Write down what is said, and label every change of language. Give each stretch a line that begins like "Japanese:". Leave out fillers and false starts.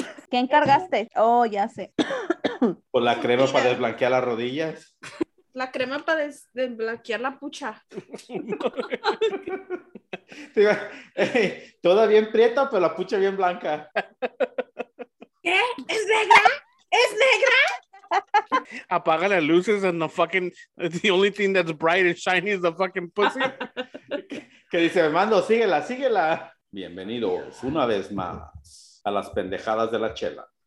Spanish: ¿Qué encargaste? Oh, ya sé. ¿O la crema para desblanquear las rodillas? La crema para desblanquear la pucha. Hey, toda bien prieta, pero la pucha bien blanca. ¿Qué? ¿Es negra? ¿Es negra? Apaga las luces
English: and the fucking the only thing that's bright and shiny is the fucking pussy.
Spanish: Que dice, Armando, síguela, síguela. Bienvenidos una vez más a las pendejadas de la chela.